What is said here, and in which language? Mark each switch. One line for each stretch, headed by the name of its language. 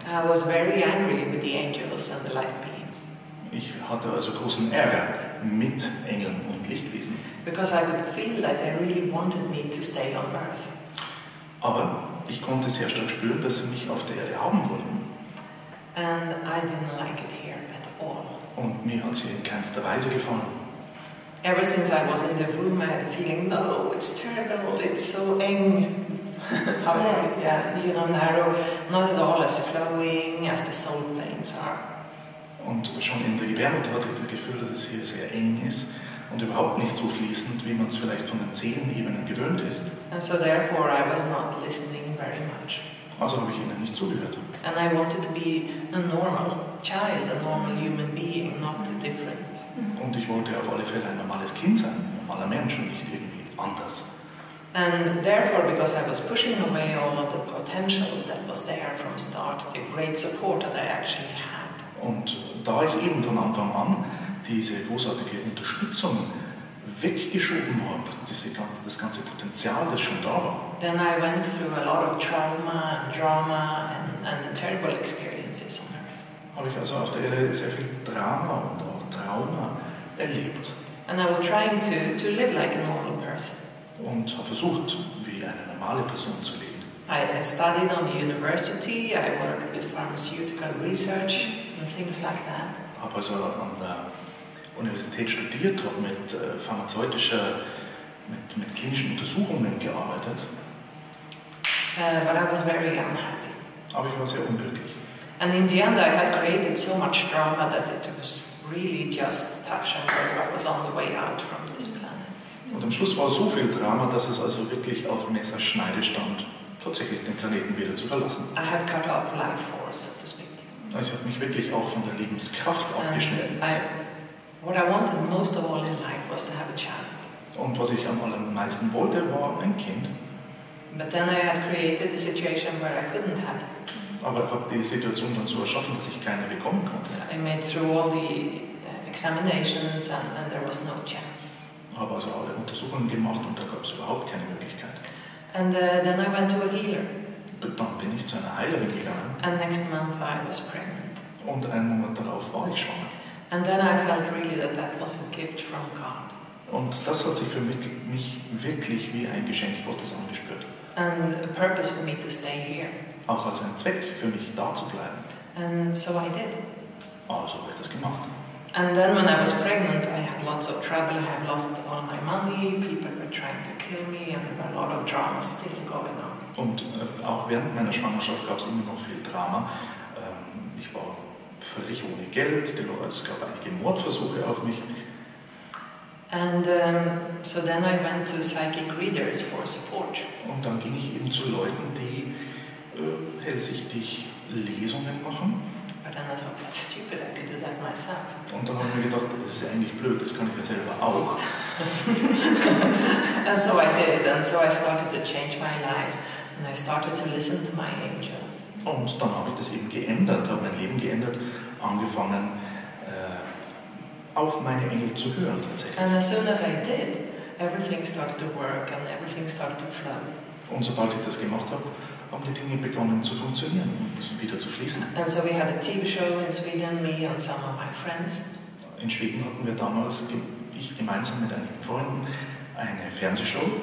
English: I was very angry with the angels and the light beings.
German: Ich hatte also großen Ärger mit Engeln und Lichtwesen.
English: Because I could feel that they really wanted me to stay on Earth.
German: Aber ich konnte sehr stark spüren, dass sie mich auf der Erde haben wollten.
English: And I didn't like it here at all.
German: Und mir hat sie in keinster Weise gefallen.
English: Ever since I was in the room, I had a feeling, no, it's terrible, it's so eng. You know, narrow, not at all as flowing as the soul planes are.
German: Und schon in der Gebärmutter hatte ich das Gefühl, dass es hier sehr eng ist und überhaupt nicht so fließend, wie man es vielleicht von den Seelenebenen gewöhnt ist.
English: And so therefore I was not listening very much.
German: Also habe ich ihnen nicht zugehört.
English: And I wanted to be a normal child, a normal human being, not different.
German: Und ich wollte auf alle Fälle ein normales Kind sein, ein normaler Mensch und nicht irgendwie anders.
English: And therefore, because I was pushing away all of the potential that was there from start, the great support that I actually had.
German: Und da ich eben von Anfang an diese großartige Unterstützung weggeschoben habe, das ganze Potenzial, das schon da war.
English: Then I went through a lot of trauma and drama and terrible experiences on Earth.
German: Habe ich also auf der Erde sehr viel Drama und auch Trauma erlebt.
English: And I was trying to live like a normal person.
German: Und habe versucht, wie eine normale Person zu leben.
English: I studied on the university, I worked with pharmaceutical research and things like that.
German: Habe also an der Universität studiert, habe mit pharmazeutischer, mit klinischen Untersuchungen gearbeitet.
English: But I was very unhappy.
German: Aber ich war sehr unglücklich.
English: And in the end I had created so much drama that it was really just touch and go, I was on the way out from this planet.
German: Und am Schluss war so viel Drama, dass es also wirklich auf Messerschneide stand, tatsächlich den Planeten wieder zu verlassen.
English: I had cut off life force, so to speak.
German: Also hat mich wirklich auch von der Lebenskraft abgeschnitten.
English: What I wanted most of all in life was to have a child.
German: Und was ich am allermeisten wollte, war ein Kind.
English: But then I had created a situation where I couldn't have it.
German: Aber habe die Situation dann so erschaffen, dass ich keine bekommen konnte.
English: I made through all the examinations and there was no chance.
German: Habe also alle Untersuchungen gemacht und da gab es überhaupt keine Möglichkeit.
English: And then I went to a healer.
German: Dann bin ich zu einer Heilerin gegangen.
English: And next month I was pregnant.
German: Und einen Monat darauf war ich schwanger.
English: And then I felt really that that was a gift from God.
German: Und das hat sich für mich wirklich wie ein Geschenk Gottes angespürt.
English: And a purpose for me to stay here.
German: Auch als ein Zweck für mich da zu bleiben.
English: And so I did.
German: Also habe ich das gemacht.
English: And then when I was pregnant, I had lots of trouble. I had lost all my money. People were trying to kill me, and there were a lot of drama still going on.
German: Und auch während meiner Schwangerschaft gab es immer noch viel Drama. Ich war völlig ohne Geld, es gab einige Mordversuche auf mich.
English: And so then I went to psychic readers for support.
German: Und dann ging ich eben zu Leuten, die hellsichtig Lesungen machen.
English: But then I thought, that's stupid, I could do that myself.
German: Und dann habe ich mir gedacht, das ist ja eigentlich blöd, das kann ich ja selber auch.
English: And so I did, and so I started to change my life, and I started to listen to my angels.
German: Und dann habe ich das eben geändert, habe mein Leben geändert, angefangen auf meine Engel zu hören tatsächlich.
English: And as soon as I did, everything started to work and everything started to flow.
German: Und sobald ich das gemacht habe, haben die Dinge begonnen zu funktionieren und wieder zu fließen.
English: And so we had a TV show in Sweden, me and some of my friends.
German: In Schweden hatten wir damals, ich gemeinsam mit einigen Freunden, eine Fernsehshow.